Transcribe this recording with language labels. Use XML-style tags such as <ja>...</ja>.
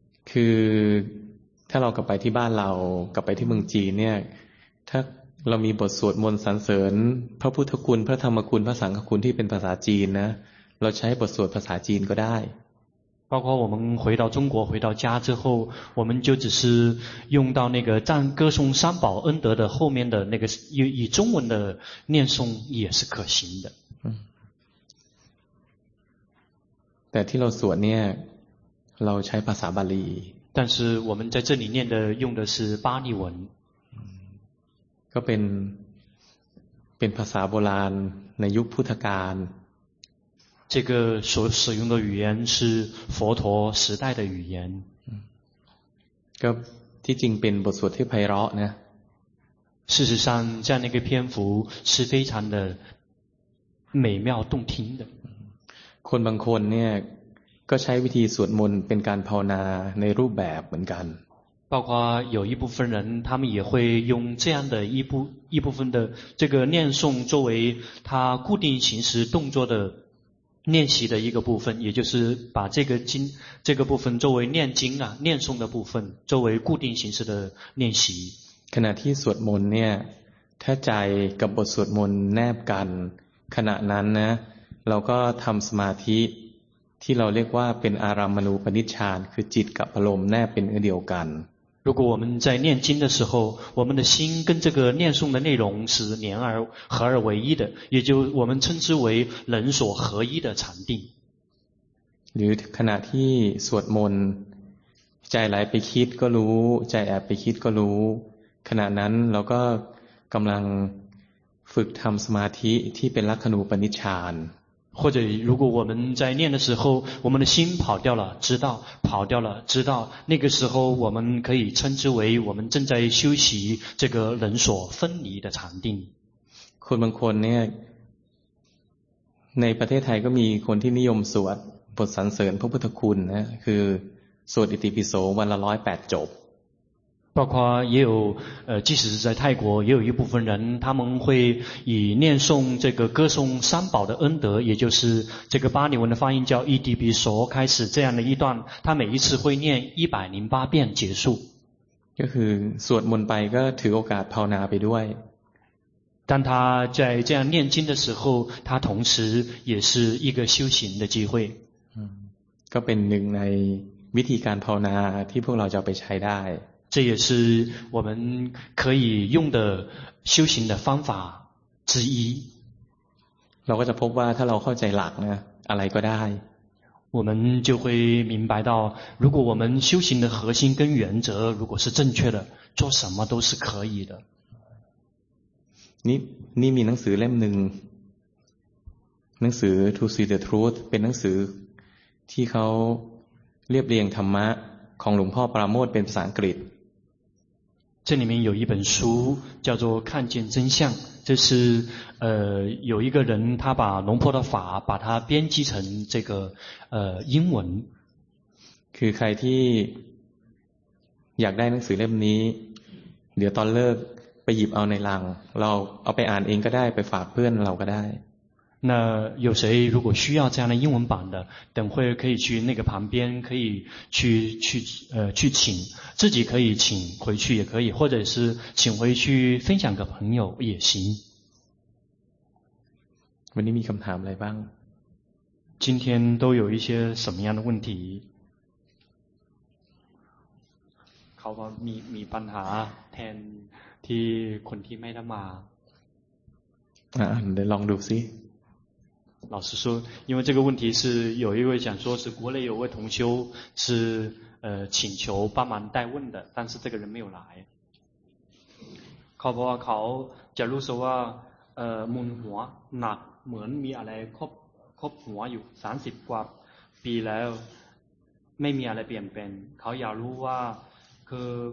<th>คือถ้าเรากลับไปที่บ้านเรากลับไปที่เมืองจีนเนี่ยถ้าเรามีบทสวดมนต์สรรเสริญพระพุทธคุณพระธรรมคุณพระสังฆคุณที่เป็นภาษาจีนนะเราใช้บทสวดภาษาจีนก็ได้</th> <zh>包括我们回到中国回到家之后我们就只是用到那个赞歌颂三宝恩德的后面的那个以中文的念诵也是可行的</zh> <th>แต่ที่เราสวดเนี่ยเราใช้ภาษาบาลี</th> <zh>但是我们在这里念的用的是巴利文</zh> <th>ก็เป็นภาษาโบราณในยุคพุทธกาล</th> <zh>这个所使用的语言是佛陀时代的语言</zh> <th>ก็ที่จริงเป็นบทสวดที่ไพเราะนะ</th> <zh>事实上在那个篇幅是非常的美妙动听的</zh> <th>คนบางคนเนี่ยก็ใช้วิธีสวดมนต์เป็นการภาวนาในรูปแบบเหมือนกัน</th> <zh>包括有一部分人他们也会用这样的一部分的这个念诵作为他固定形式动作的练习的一个部分也就是把这个部分作为念经啊念诵的部分作为固定形式的练习</zh> <th>ขณะที่สวดมนต์เนี่ยถ้าใจกับบทสวดมนต์แนบกันขณะนั้นนะเราก็ทำสมาธิที่เราเรียกว่าเป็นอารัมมณูปนิชฌานคือจิตกับอารมณ์แนบเป็นเดียวกัน</th> <zh>如果我们在念经的时候我们的心跟这个念诵的内容是连而合而为一的也就我们称之为人所合一的禅定</zh> <th>หรือขณะที่สวดมนต์ใจไหลไปคิดก็รู้ใจแอบไปคิดก็รู้ขณะนั้นเราก็กำลังฝึกทำสมาธิที่เป็นลัคนูปนิชฌาน</th> <zh>或者如果我们在念的时候我们的心跑掉了知道跑掉了知道那个时候我们可以称之为我们正在修习这个人所分离的禅定</zh> <th>คนบางคนเนี่ยในประเทศไทยก็มีคนที่นิยมสวดบทสรรเสริญพระพุทธคุณนะคือสวดอิติปิโสวันละ108จบ</th> <zh>包括也有即使是在泰国也有一部分人他们会以念诵这个歌颂三宝的恩德也就是这个巴利文的发音叫伊迪比索开始这样的一段他每一次会念108遍结束就是</zh> <th>สวดมนต์ไปก็ถือโอกาสภาวนาไปด้วย</th> <zh>当他在这样念经的时候他同时也是一个修行的机会</zh> <th>ก็เป็นหนึ่งในวิธีการภาวนาที่พวกเราจะไปใช้ได้</th> <zh>这也是我们可以用的修行的方法之一</zh> <th>ราก็จะพบว่าถ้าเราเข้าใจหลักนะอะไรก็ได้</th> <zh>我们就会明白到，如果我们修行的核心跟原则如果是正确的，做什么都是可以的。</zh> <th>你มีหนังสือเล่มหนึ่ง หนังสือ To See the Truth เป็นหนังสือที่เขาเรียบเรียงธรรมะของหลวงพ่อปราโมทย์เป็นภาษาอังกฤษ</th> <zh>这里面有一本书叫做《看见真相》，这是有一个人他把龙婆的法把它编辑成这个英文。</zh> <th>คือใครที่อยากได้หนังสือเล่มนี้เดี๋ยวตอนเลิกไปหยิบเอาในลังเราเอาไปอ่านเองก็ได้ไปฝากเพื่อนเราก็ได้。</th> <zh>那有谁如果需要这样的英文版的，等会可以去那个旁边可以去请。自己可以请回去也可以，或者是请回去分享给朋友也行。问你们</zh> <th>คำถามอะไรบ้าง？</th> <zh>今天都有一些什么样的问题？</zh> <th>เขาบอกมีปัญหาแทนที่คนที่ไม่ได้มา。 เดี๋ยวลองดูซิ。</th> <zh>老师说，因为这个问题是有一位讲说是国内有位同修是。请求帮忙代问的，但是这个人没有来。</zh> <th>เขาบอกว่าเขาจะรู้สึกว่ามึนหัวหนักเหมือนมีอะไรครบหัวอยู่30กว่าปีแล้วไม่มีอะไรเปลี่ยนแปลงเขาอยากรู้ว่าคือ</th>